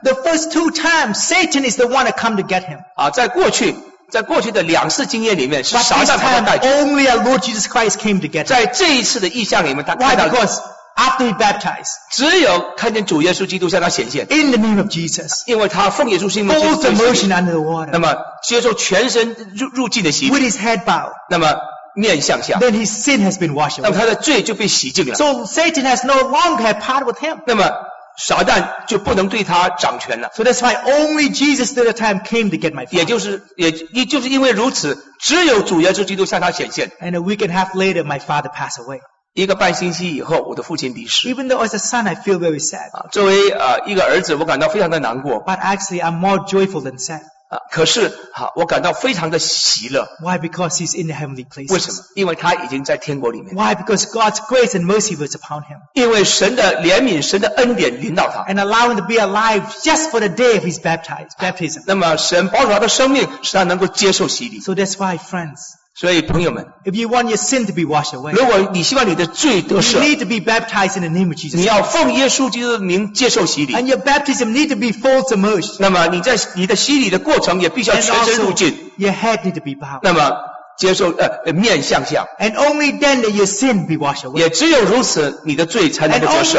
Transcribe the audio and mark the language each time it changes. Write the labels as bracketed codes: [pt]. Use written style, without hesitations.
[en] The first two times, Satan is the one that come to get him. [zh] 在过去的两次经验里面，是撒旦把他带去。 [en] Only our Lord Jesus Christ came to get him. [zh] 在这一次的异象里面，他看到。 [en] Why? Because after he baptized, [zh] 只有看见主耶稣基督向他显现。 [en] In the name of Jesus, [zh] 因为他奉耶稣圣名。 [en] Both immersion under the water. [zh] 那么接受全身入浸的洗礼。 [en] With his head bowed. [zh] 那么面向下。 [en] Then his sin has been washed away. [zh] 那么他的罪就被洗净了。 [en] So Satan has no longer had part with him. [zh] 那么撒旦就不能对他掌权了。 [en] So that's why only Jesus at the time came to get my father. [zh] 也就是因为如此，只有主耶稣基督向他显现。 [en] And a week and a half later, my father passed away. [zh] 一个半星期以后，我的父亲离世。 [en] Even though as a son, I feel very sad. [zh] 作为一个儿子，我感到非常的难过。 [en] But actually, I'm more joyful than sad. [zh] 可是我感到非常的喜乐。 [en] Why? Because he's in the heavenly place. [zh] 为什么？因为他已经在天国里面。 [en] Why? Because God's grace and mercy was upon him. [zh] 因为神的怜悯、神的恩典临到他。 [en] And allow him to be alive just for the day of his baptism. [zh] 那么神保守他的生命，使他能够接受洗礼。 [en] So that's why, friends. [zh] 所以朋友们 [en] If you want your sin to be washed away, [zh] 如果你希望你的罪得赦 [en] You need to be baptized in the name of Jesus. [zh] 你要奉耶稣基督的名接受洗礼 [en] And your baptism need to be full submerged. [zh] 那么你的洗礼的过程也必须要全身入浸 [en] And also, your head need to be bowed. [zh] 那么接受面向下。 [en] And only then that your sin be washed away. [zh] 也只有如此，你的罪才能得赦。